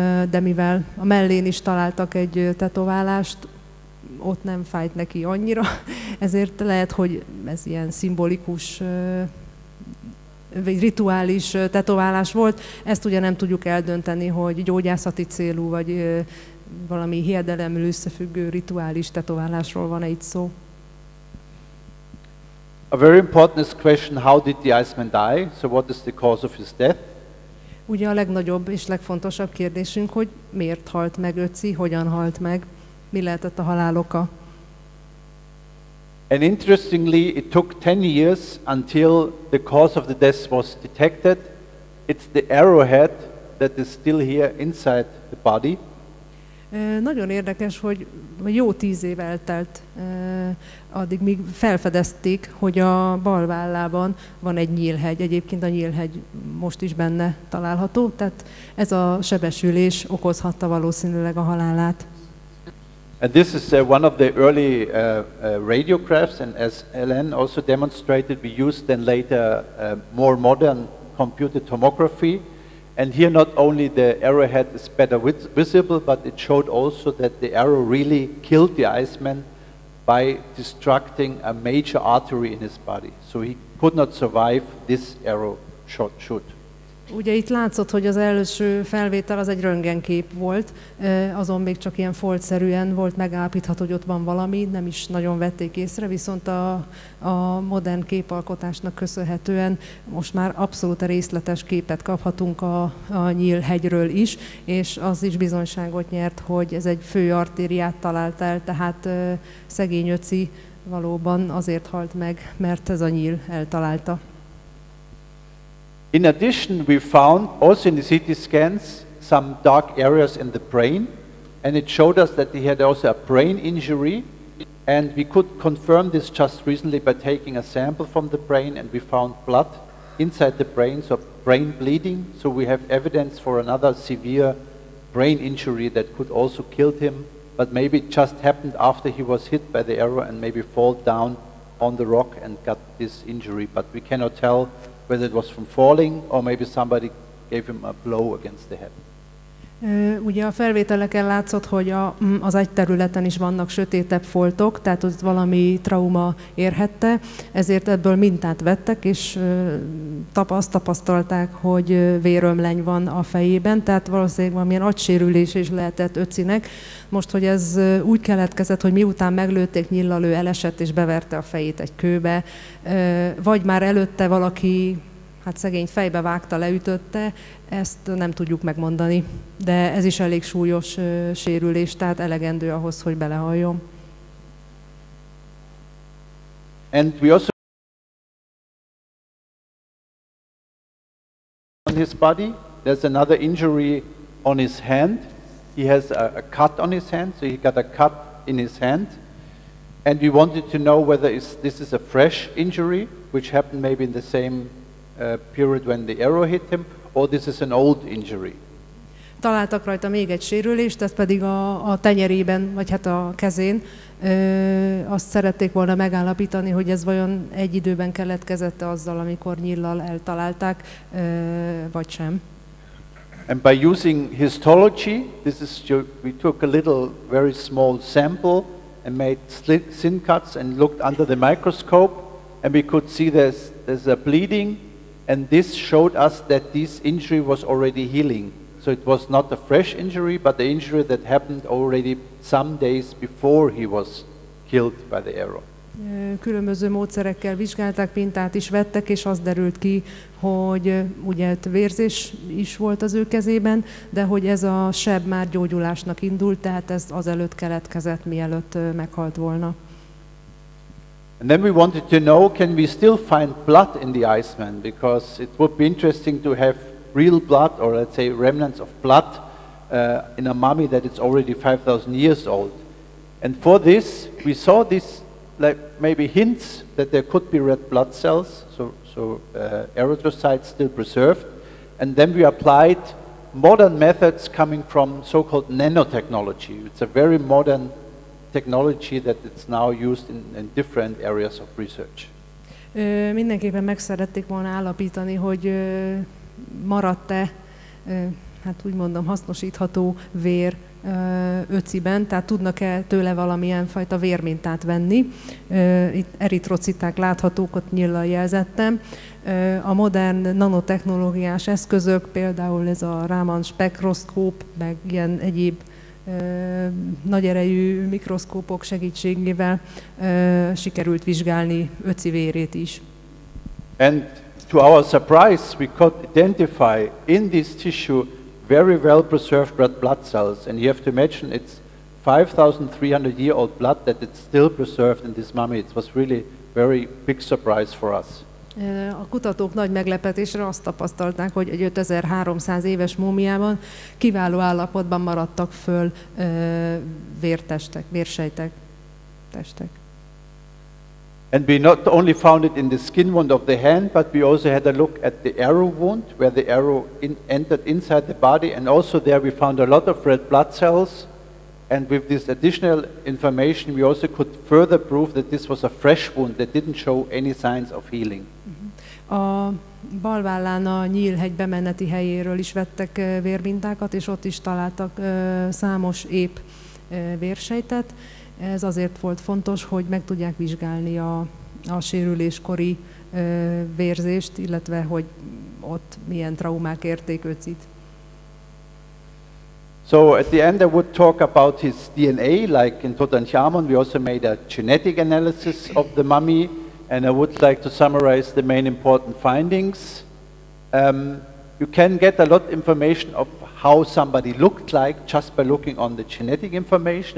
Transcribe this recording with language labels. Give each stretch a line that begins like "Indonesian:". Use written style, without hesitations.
Hungarian: de mivel a mellén is találtak egy tetoválást, ott nem fájt neki annyira, ezért lehet, hogy ez ilyen szimbolikus vagy rituális tetoválás volt. Ezt ugye nem tudjuk eldönteni, hogy gyógyászati célú, vagy valami hiedelemül összefüggő rituális tetoválásról van-e itt szó.
English: A very important question, how did the Iceman die? So what is the cause of his death?
Hungarian: Ugye a legnagyobb és legfontosabb kérdésünk, hogy miért halt meg Öci, hogyan halt meg, mi lehetett a halál oka?
English: And interestingly, it took 10 years until the cause of the death was detected. It's the arrowhead that is still here inside the body.
Hungarian: Nagyon érdekes, hogy jó 10 év eltelt, addig míg felfedezték, hogy a bal vállában van egy nyílhegy. Egyébként a nyílhegy most is benne található, tehát ez a sebesülés okozhatta valószínűleg a halálát.
English: And this is one of the early radiographs, and as Ellen also demonstrated, we used then later more modern computer tomography. And here not only the arrowhead is better visible, but it showed also that the arrow really killed the Iceman by destructing a major artery in his body. So he could not survive this arrow shoot.
Hungarian: Ugye itt látszott, hogy az első felvétel az egy röntgenkép volt, azon még csak ilyen foltszerűen volt megállapítható, hogy ott van valami, nem is nagyon vették észre, viszont a modern képalkotásnak köszönhetően most már abszolút részletes képet kaphatunk a nyílhegyről is, és az is bizonyságot nyert, hogy ez egy fő artériát talált el, tehát szegény Öci valóban azért halt meg, mert ez a nyíl eltalálta.
English: In addition, we found also in the CT scans some dark areas in the brain, and it showed us that he had also a brain injury, and we could confirm this just recently by taking a sample from the brain, and we found blood inside the brain, so brain bleeding, so we have evidence for another severe brain injury that could also kill him, but maybe it just happened after he was hit by the arrow and maybe fall down on the rock and got this injury, but we cannot tell whether it was from falling, or maybe somebody gave him a blow against the head.
Hungarian: Ugye a felvételeken látszott, hogy az agyterületen is vannak sötétebb foltok, tehát ott valami trauma érhette, ezért ebből mintát vettek, és azt tapasztalták, hogy vérömleny van a fejében, tehát valószínűleg valamilyen agysérülés is lehetett Öcinek. Most, hogy ez úgy keletkezett, hogy miután meglőtték nyillal, ő elesett és beverte a fejét egy kőbe, vagy már előtte valaki, hát szegény fejbe vágta, leütötte, ezt nem tudjuk megmondani, de ez is elég súlyos sérülés, tehát elegendő ahhoz, hogy belehaljon.
English: And we also on his body, there's another injury on his hand. He has a cut on his hand, so he got a cut in his hand. And we wanted to know whether this is a fresh injury, which happened maybe in the same period when the arrow hit him, or this is an old injury.
Hungarian: Találtak rajta még egy sérülést, ez pedig a tenyerében, vagy hát a kezén. Azt szerették volna megállapítani, hogy ez vajon egy időben keletkezette azzal, amikor nyíllal eltalálták, vagy sem.
English: And by using histology, this is we took a little, very small sample and made slit skin cuts and looked under the microscope, and we could see there's a bleeding, and this showed us that this injury was already healing. So it was not a fresh injury, but the injury that happened already some days before he was killed by the arrow.
Hungarian: Különböző módszerekkel vizsgálták, mintát is vettek, és az derült ki, hogy ugye vérzés is volt az ő kezében, de hogy ez a seb már gyógyulásnak indult, tehát ez azelőtt keletkezett, mielőtt meghalt volna.
English: And then we wanted to know, can we still find blood in the Iceman? Because it would be interesting to have real blood, or let's say remnants of blood, in a mummy that is already 5,000 years old. And for this, we saw this, like maybe hints that there could be red blood cells, so erythrocytes still preserved. And then we applied modern methods coming from so-called nanotechnology. It's a very modern technology that it's now used in different areas of research.
Hungarian: Mindenképpen meg szerették volna állapítani, hogy maradt-e, hát úgy mondom, hasznosítható vér öciben, tehát tudnak-e tőle valamilyen fajta vérmintát venni. Itt eritrociták láthatók, ott nyíllal jelzettem. A modern nanotechnológiás eszközök, például ez a Raman spektroszkóp, meg ilyen egyéb nagy erejű mikroszkópok segítségével sikerült vizsgálni öci vérét is.
English: And to our surprise, we could identify in this tissue very well preserved red blood cells, and you have to imagine it's 5,300 year old blood that it's still preserved in this mummy. It was really very big surprise for us.
Hungarian: A kutatók nagy meglepetésre azt tapasztalták, hogy egy 5300 éves múmiában kiváló állapotban maradtak föl vértestek, vérsejtek, testek.
English: And we not only found it in the skin wound of the hand, but we also had a look at the arrow wound, where the arrow entered inside the body, and also there we found a lot of red blood cells. And with this additional information, we also could further prove that this was a fresh wound that didn't show any signs of healing.
Hungarian: A bal vállán a nyílhegy bemeneti helyéről is vettek vérmintákat, és ott is találtak számos ép vérsejtet. Ez azért volt fontos, hogy meg tudják vizsgálni a sérüléskori vérzést, illetve hogy ott milyen traumák érték őcit.
English: So at the end I would talk about his DNA, like in Tutankhamun we also made a genetic analysis of the mummy, and I would like to summarize the main important findings. You can get a lot of information of how somebody looked like just by looking on the genetic information.